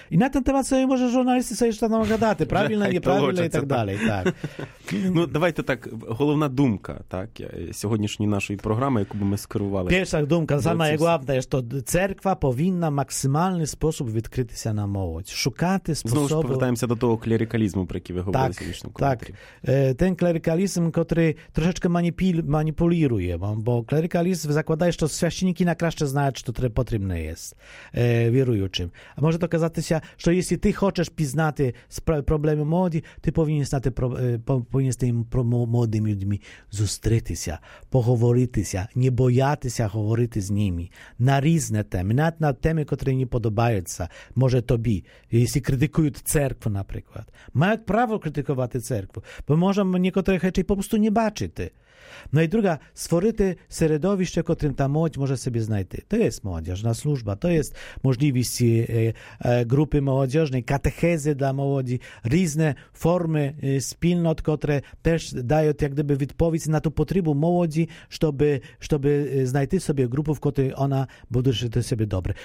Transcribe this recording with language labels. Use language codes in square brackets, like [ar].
[pl] I na ten temat sobie może żurnalisty sobie jeszcze tam gadać. Prawilne, nieprawilne i tak dalej. Tak. [uk] No, давайте так, головна думка, так, сьогоднішньої нашої програми, яку би ми скерували. Перша думка, сама головна, що церква повинна в максимальний спосіб відкритися на молодь, шукати способи... Знову ж повертаємося до того клерикалізму, про який ви говорили так, сьогоднішньому коментарі. Так, Ten клерикалізм, котрий трошечки маніпулює, бо клерикалізм закладає, що священники на краще знають, що потрібно є віруючим. А може доказатися, що якщо ти хочеш пізнати проблеми молоді, ти повинен знати повинні з тими молодими людьми зустрітися, поговоритися, не боятися говорити з ними на різні теми, навіть на теми, які не подобаються, може тобі, якщо критикують церкву, наприклад. Мають право критикувати церкву, бо можемо некоторих речей просто не бачити. [pl] No i druga, stworzyć środowisko, w którym ta młodzież może sobie znajdować. To jest młodzieżna służba, to jest możliwość grupy młodzieżnej, katechezy dla młodzi, różne formy wspólnot, które też dają jak gdyby odpowiedź na tę potrzebę młodzi, żeby znajdować sobie grupę, w której ona buduje do siebie dobre.